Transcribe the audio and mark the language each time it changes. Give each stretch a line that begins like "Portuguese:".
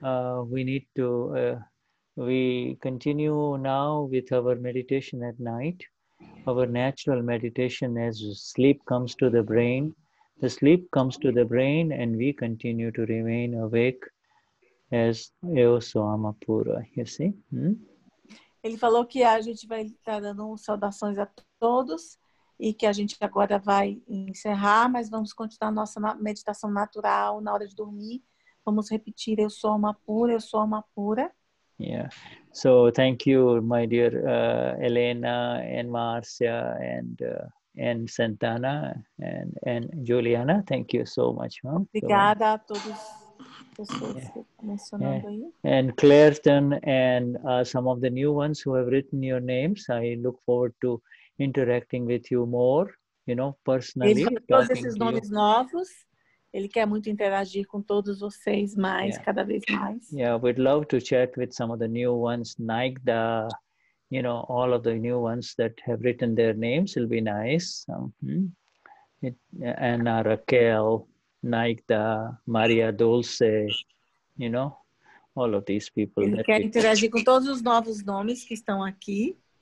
English: We continue now with our meditation at night, our natural meditation as sleep comes to the brain. The sleep comes to the brain and we continue to remain awake as Eosoama Pura, you see.
Portuguese: Ele falou que a gente vai estar dando saudações a todos e que a gente agora vai encerrar, mas vamos continuar nossa meditação natural na hora de dormir. Vamos repetir, eu sou uma pura, eu sou uma pura.
English: Yeah. So, thank you, my dear Elena and Marcia and Santana and Juliana. Thank you so much. Huh?
Portuguese: Obrigada a todos vocês que mencionaram aí.
English: And Clairton and some of the new ones who have written your names. I look forward to interacting with you more, you know, personally.
Portuguese: Todos esses nomes novos. Ele quer muito interagir com todos vocês mais, yeah. Cada vez mais.
English: Yeah, we'd love to chat with some of the new ones, Nigda, you know, all of the new ones that have written their names. It'll be nice. Anna, Raquel, Nigda, Maria Dulce, you know, all of these people.
Portuguese: Ele quer interagir com todos os novos nomes que estão aqui.